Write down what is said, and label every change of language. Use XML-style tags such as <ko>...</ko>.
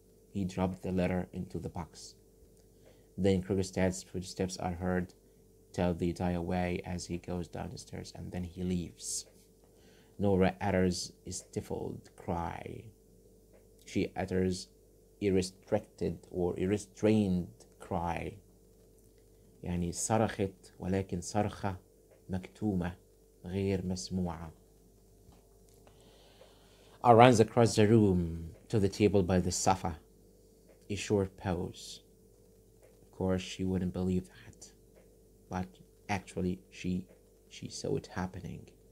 <en>He dropped the letter into the box. Then Krugerstadt's footsteps are heard. Tell the die away as he goes down the stairs, and then he leaves. Nora utters a stifled cry. She utters a restricted or a restrained cry.</en> <ar>يعني صرخت ولكن صرخة مكتومة غير مسموعة.</ar> <en>I runs across the room to the table by the sofa. A short pause. Of course, she wouldn't believe that. But actually, she saw it happening.</en>